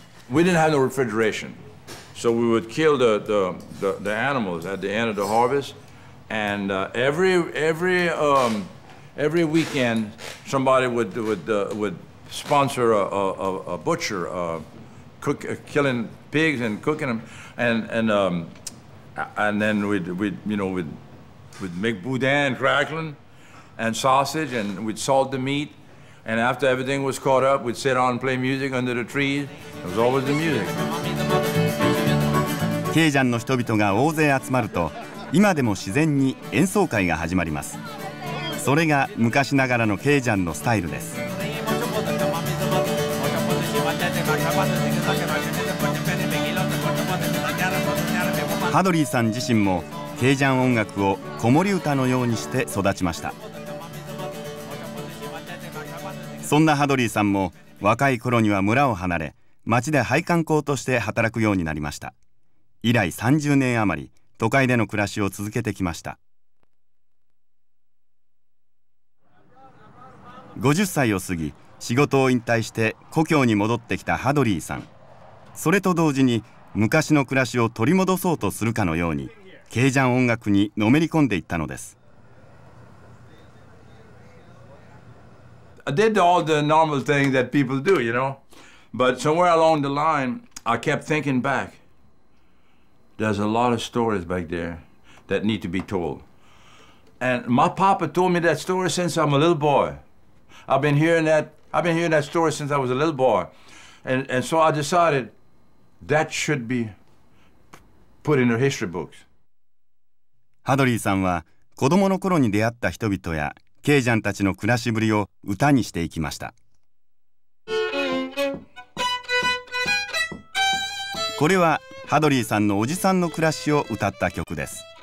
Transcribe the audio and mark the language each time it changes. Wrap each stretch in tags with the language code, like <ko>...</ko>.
<en>We didn't have no refrigeration, so we would kill the animals at the end of the harvest, and every weekend somebody would sponsor a butcher killing pigs and cooking them, and then we'd make boudin crackling and sausage, and we'd salt the meat, And after everything was caught up, we'd sit on and play music under the trees. It was always the music.</en> <ja>ケージャンの人々が大勢集まると、今でも自然に演奏会が始まります。それが昔ながらのケージャンのスタイルです。ハドリーさん自身もケージャン音楽を子守歌のようにして育ちました。そんなハドリーさんも若い頃には村を離れ、町で配管工として働くようになりました。以来30年余り都会での暮らしを続けてきました。 50歳を過ぎ、仕事を引退して故郷に戻ってきたハドリーさん。それと同時に昔の暮らしを取り戻そうとするかのように、ケージャン音楽にのめり込んでいったのです。</ja> <en>I did all the normal things that people do, you know. But somewhere along the line, I kept thinking back. There's a lot of stories back there that need to be told. And my papa told me that story since I'm a little boy. I've been hearing that story since I was a little boy. And so I decided that should be put in the history books.</en> <ja>ハドリーさんは子供の頃に出会った人々やケージャンたちの暮らしぶりを歌にしていきました。これはハドリーさんのおじさんの暮らしを歌った曲です。</ja>